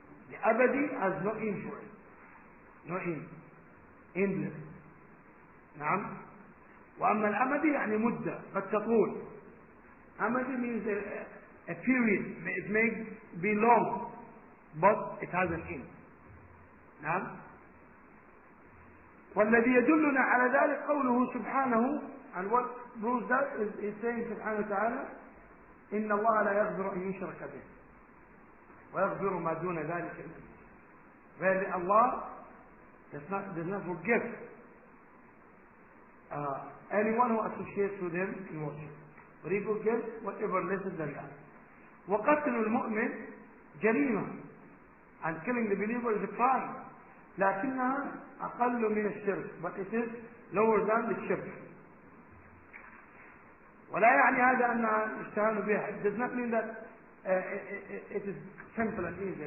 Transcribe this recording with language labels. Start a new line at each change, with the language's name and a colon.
English: The ابدي has no end for it.
Arabic: نعم.
English: Endless.
Arabic: نعم. وأما الأمد يعني مدة قد تطول.
English: أمد means a period. It may be long but it has an end.
Arabic: نعم. والذي يدلنا على ذلك قوله سبحانه.
English: And what proves that is he's saying
Arabic: سبحانه وتعالى إن الله لا يغفر أن يشرك به ويغفر ما دون ذلك.
English: فإذا الله does not forgive anyone who associates with him in worship. But he forgives whatever less than that.
Arabic: وقتل المؤمن جريمة.
English: And killing the believer is a crime.
Arabic: لكنها أقل من الشرك.
English: But it is lower than the shirk.
Arabic: ولا يعني هذا أنها اجتهان بها.
English: It does not mean that it is simple and easy.